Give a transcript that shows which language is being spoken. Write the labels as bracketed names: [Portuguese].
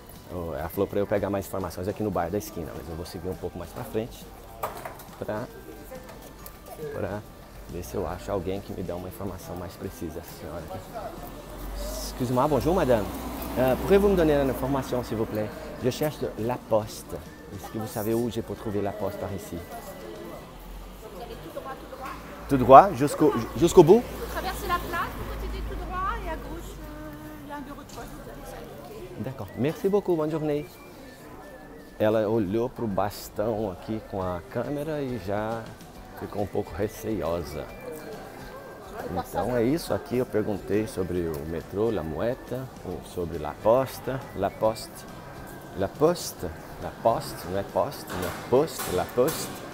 [Portuguese] Ela falou para eu pegar mais informações aqui no bairro da esquina, mas eu vou seguir um pouco mais para frente, para ver se eu acho alguém que me dá uma informação mais precisa. [French] Senhora, excuse-moi, bonjour madame, pouvez-vous me donner une information s'il vous plaît? Je cherche la poste. Est-ce que vous savez où je peux trouver la poste par ici? Tout droit, jusqu'au bout. Traverser la place, vous continuez tout droit et à gauche, il y a un bureau de poste, vous allez s'arrêter. D'accord, merci beaucoup, bonne journée. [Portuguese] Ela olhou para o bastão aqui com a câmera e já ficou um pouco receiosa. Então é isso, aqui eu perguntei sobre o metrô, La Mueta, sobre La Poste, La Poste, La Poste, La Poste, não é Poste, não é Poste, La Poste.